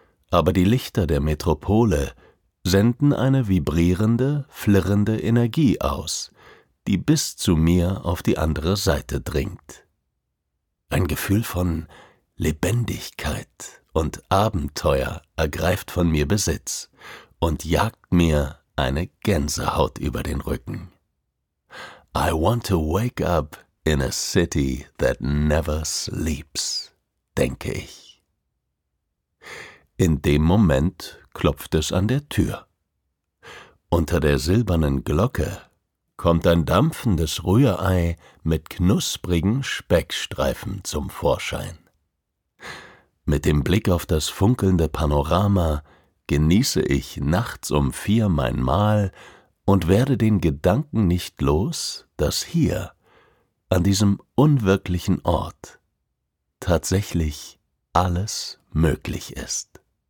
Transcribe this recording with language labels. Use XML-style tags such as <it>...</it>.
<de>Aber die Lichter der Metropole senden eine vibrierende, flirrende Energie aus, die bis zu mir auf die andere Seite dringt. Ein Gefühl von Lebendigkeit und Abenteuer ergreift von mir Besitz und jagt mir eine Gänsehaut über den Rücken.</de> <en>I want to wake up in a city that never sleeps,</en> <de>denke ich. In dem Moment klopft es an der Tür. Unter der silbernen Glocke kommt ein dampfendes Rührei mit knusprigen Speckstreifen zum Vorschein. Mit dem Blick auf das funkelnde Panorama genieße ich nachts um 4 mein Mahl und werde den Gedanken nicht los, dass hier, an diesem unwirklichen Ort, tatsächlich alles möglich ist.</de>